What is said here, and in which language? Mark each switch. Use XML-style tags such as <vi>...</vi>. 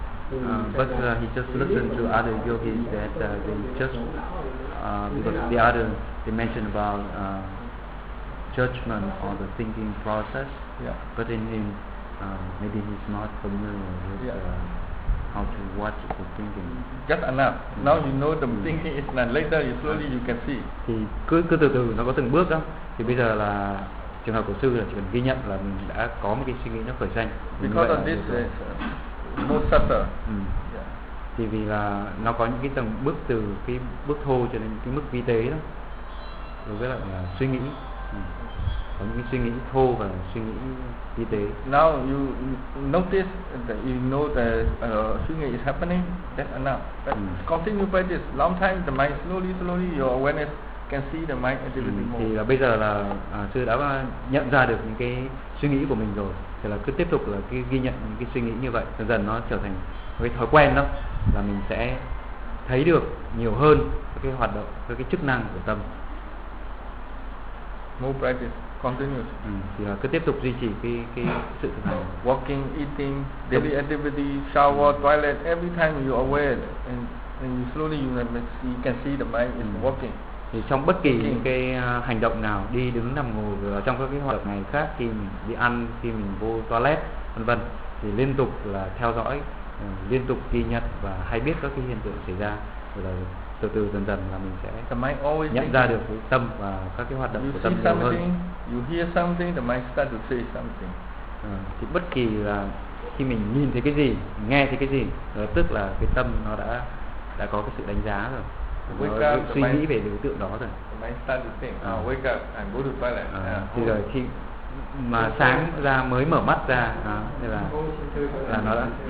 <en>But he just listened to other yogis that they just because the other they mentioned about judgment or the thinking process. Yeah. But in him, maybe he's not familiar with how to watch the thinking. Just enough. Now you know the thinking is not. Later, you slowly you can see.</en> <vi>Thì cứ từ từ nó có từng bước đó. Thì bây giờ là trường hợp của sư là chỉ cần ghi nhận là mình đã có một cái suy nghĩ nó khởi sanh.</vi> <en>Because of this most subtle.</en> <vi>Thì vì là nó có những cái tầng bước từ cái bước thô cho đến cái mức vi tế đó. Đối với lại là suy nghĩ. Có những cái suy nghĩ thô và suy nghĩ vi tế.</vi> <en>Now you notice that you know that</en> <vi>suy nghĩ</vi> <en>is happening, that's enough. But continue by this long time, the mind slowly, slowly your awareness can see the mind and everything more.</en> <vi>Thì là bây giờ là sư đã nhận ra được những cái suy nghĩ của mình rồi. Thì là cứ tiếp tục là cái ghi nhận những cái suy nghĩ như vậy, dần dần nó trở thành cái thói quen đó, là mình sẽ thấy được nhiều hơn cái hoạt động, cái chức năng của tâm.</vi> <en>More practice, continuous.</en> <vi>Thì là cứ tiếp tục duy trì cái sự thực hành.</vi> <en>Walking, eating, daily activity, shower, toilet, every time you are aware and slowly you can see the mind is walking.</en> <vi>Thì trong bất kỳ những cái hành động nào, đi đứng nằm ngồi, trong các cái hoạt động này khác, khi mình đi ăn, khi mình vô toilet, vân vân, thì liên tục là theo dõi, liên tục ghi nhận và hay biết các cái hiện tượng xảy ra, rồi là từ từ dần dần là mình sẽ nhận ra được cái tâm và các cái hoạt động của tâm nhiều hơn.</vi> <en>You hear something, the mind starts to say something.</en> <vi>Thì bất kỳ là khi mình nhìn thấy cái gì, nghe thấy cái gì, tức là cái tâm nó đã có cái sự đánh giá rồi.</vi> <en>Wake</en> <vi>suy nghĩ về đối tượng đó rồi.</vi> <en>Wake up and go to toilet.</en> <vi>Thì rồi khi mà sáng ra mới mở mắt ra, thì là nó đã.</vi>